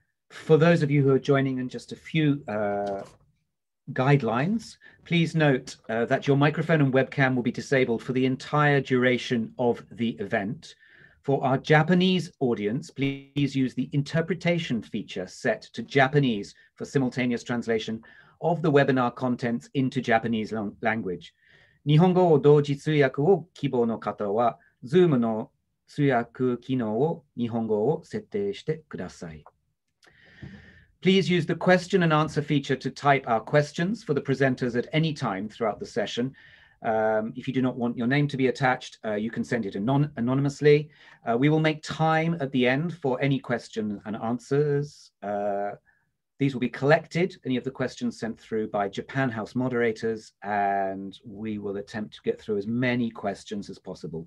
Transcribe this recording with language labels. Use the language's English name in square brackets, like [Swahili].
[English] For those of you who are joining, and just a few guidelines, please note that your microphone and webcam will be disabled for the entire duration of the event. For our Japanese audience, please use the interpretation feature set to Japanese for simultaneous translation of the webinar contents into Japanese language. [Japanese] 日本語を同時通訳を希望の方は Zoom の通訳機能を日本語を設定してください。 [English] Please use the question and answer feature to type our questions for the presenters at any time throughout the session. If you do not want your name to be attached, you can send it anonymously. We will make time at the end for any questions and answers. These will be collected, any of the questions sent through by Japan House moderators, and we will attempt to get through as many questions as possible.